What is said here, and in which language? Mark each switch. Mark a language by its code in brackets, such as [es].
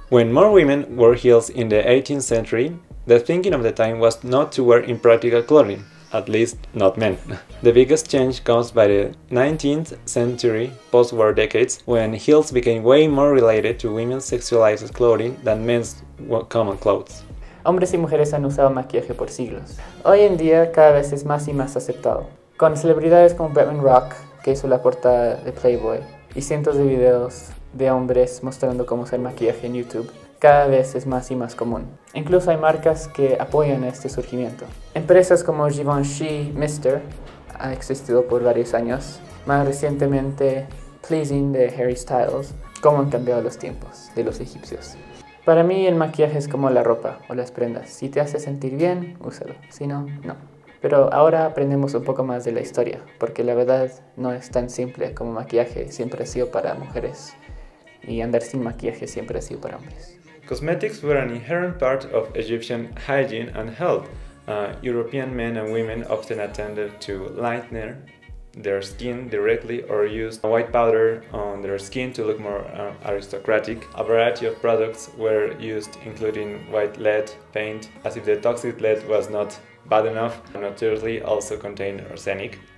[en] When more women wore heels in the 18th century, the thinking of the time was not to wear impractical clothing, at least not men. The biggest change comes by the 19th century post-war decades, when heels became way more related to women's sexualized clothing than men's common clothes. [es] Hombres y mujeres han usado maquillaje por siglos. Hoy en día, cada vez es más y más aceptado. Con celebridades como Bretman Rock, que hizo la portada de Playboy, y cientos de videos de hombres mostrando cómo usar maquillaje en YouTube, cada vez es más y más común. Incluso hay marcas que apoyan este surgimiento. Empresas como Givenchy Mister, ha existido por varios años, más recientemente Pleasing de Harry Styles, cómo han cambiado los tiempos de los egipcios. Para mí el maquillaje es como la ropa o las prendas. Si te hace sentir bien, úsalo. Si no, no. Pero ahora aprendemos un poco más de la historia, porque la verdad no es tan simple como maquillaje siempre ha sido para mujeres y andar sin maquillaje siempre ha sido para hombres. [en] Cosmetics were an inherent part of Egyptian hygiene and health. European men and women often attended to lighten their skin directly or used white powder on their skin to look more aristocratic. A variety of products were used, including white lead paint, as if the toxic lead was not bad enough, and notoriously also contained arsenic.